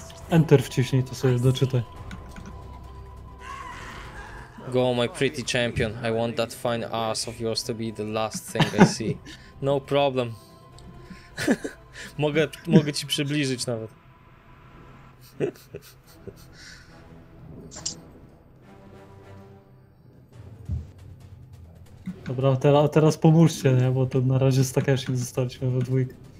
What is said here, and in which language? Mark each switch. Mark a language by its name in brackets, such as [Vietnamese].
[Polish] Enter wciśnij, to sobie doczytaj. [English] Go, my pretty champion. I want that fine ass of yours to be the last thing I see. No problem. [Polish] Mogę ci przybliżyć nawet. Dobra, teraz pomóżcie, nie? Bo to na razie z Takeshim zostaliśmy we dwójkę.